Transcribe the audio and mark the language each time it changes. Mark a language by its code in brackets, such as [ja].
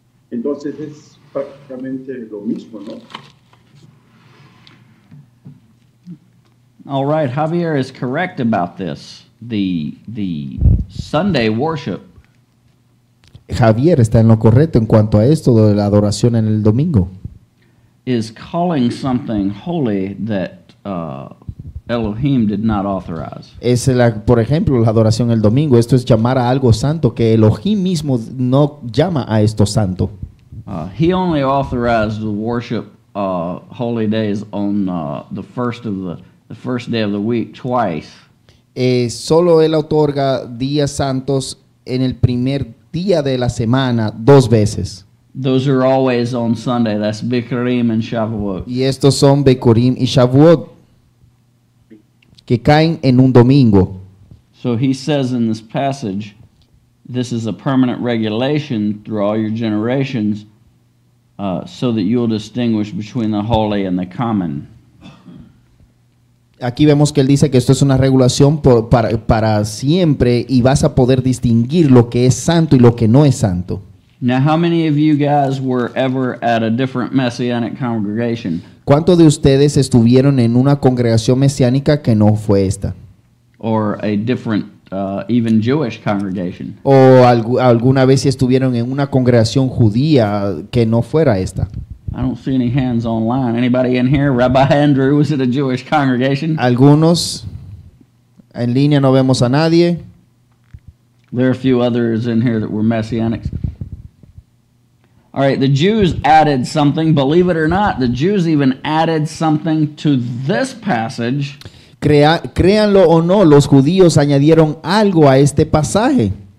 [es] Entonces es prácticamente lo mismo, ¿no? [en] All right, Javier is correct about this. The Sunday worship. [es] Javier está en lo correcto en cuanto a esto de la adoración en el domingo. [en] Is calling something holy that Elohim did not authorize. [es] Es la, por ejemplo, la adoración el domingo. Esto es llamar a algo santo que Elohim mismo no llama a esto santo. [en] He only authorized the worship holy days on the first day of the week twice. [es] Solo él otorga días santos en el primer día de la semana dos veces. [en] Those are always on Sunday. That's Bikurim and Shavuot. [es] Y estos son Bikurim y Shavuot, que caen en un domingo. [en] So he says in this passage, this is a permanent regulation through all your generations, so that you'll distinguish between the holy and the common. [es] Aquí vemos que él dice que esto es una regulación para siempre y vas a poder distinguir lo que es santo y lo que no es santo. [en] Now, how many of you guys were ever at a different messianic congregation? [es] ¿Cuántos de ustedes estuvieron en una congregación mesiánica que no fue esta? [en] Or a different, even Jewish congregation. [es] ¿O alguna vez estuvieron en una congregación judía que no fuera esta? [en] I don't see any hands online. Anybody in here? Rabbi Andrew, was it a Jewish congregation? [es] Algunos. En línea no vemos a nadie. [en] There are a few others in here that were messianics. All right, the Jews added something. Believe it or not, the Jews even added something to this passage. [es] Créanlo o no, los judíos añadieron algo a este pasaje.